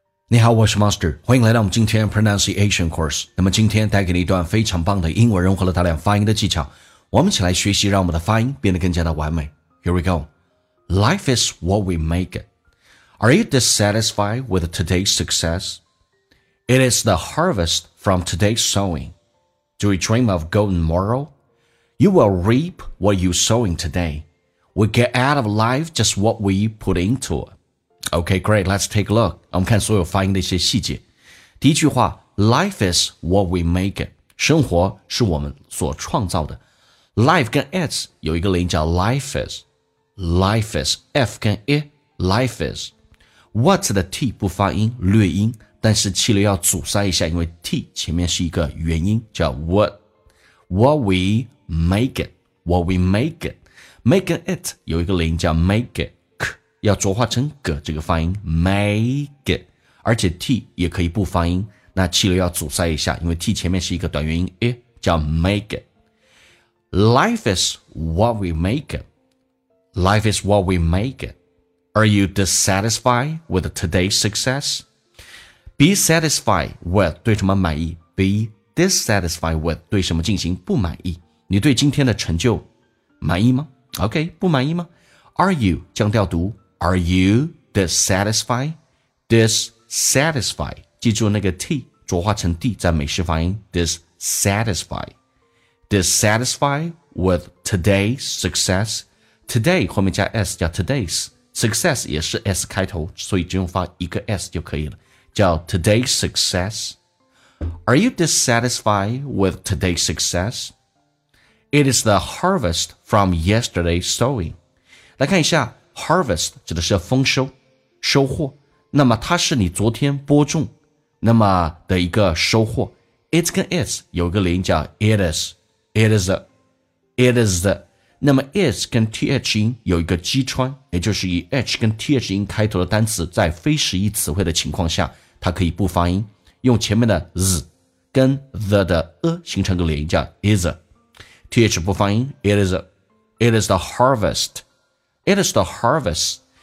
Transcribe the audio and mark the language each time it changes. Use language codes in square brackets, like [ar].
[zh] 你好，我是 Monster， 欢迎来到我们今天 Pronunciation Course。那么今天带给你一段非常棒的英文融合了大量发音的技巧，我们一起来学习，让我们的发音变得更加的完美。 [en] Here we go. Life is what we make it. Are you dissatisfied with today's success? It is the harvest from today's sowing. Do you dream of golden tomorrow? You will reap what you sowing today. We get out of life just what we put into itOkay, great. Let's take a look. [zh] 我们看所有发音的一些细节。第一句话 [en] ,life is what we make it. [zh] 生活是我们所创造的。 life 跟 is 有一个连叫 life is。 [en] life is, F 跟 I, life is。 [zh] what 的 T 不发音略音，但是气流要阻塞一下，因为 T 前面是一个元音叫 what。 [en] what we make it, what we make it。 [zh] make and it 有一个连叫 make it。要浊化成个这个发音 make it， 而且 t 也可以不发音，那气流要阻塞一下，因为 t 前面是一个短元音 i， 叫 make it。 [en] Life is what we make it. Life is what we make it. Are you dissatisfied with today's success? Be satisfied with [zh] 对什么满意， [en] Be dissatisfied with [zh] 对什么进行不满意。你对今天的成就满意吗？ OK， 不满意吗？ [en] Are you [zh] 降调读 [en] Are you dissatisfied? Dissatisfied. [zh] 记住那个 T 浊化成 D 在美式发音 Dissatisfied. [en] Dissatisfied with today's success. [zh] Today 后面加 S 叫 today's. Success 也是 S 开头，所以只用发一个 S 就可以了，叫 today's success. [en] Are you dissatisfied with today's success? It is the harvest from yesterday's sowing. [zh] 来看一下Harvest 指的是丰收收获，那么它是你昨天播种那么的一个收获。 It 跟 is 有一个连音叫 [en] It is It is It is 那么 is 跟 th 音有一个击穿，也就是以 h 跟 th 音开头的单词在非实义词汇的情况下它可以不发音，用前面的 z 跟 the 的 a 形成个连音叫 is th 不发音 It is It is the harvestIt is the harvest.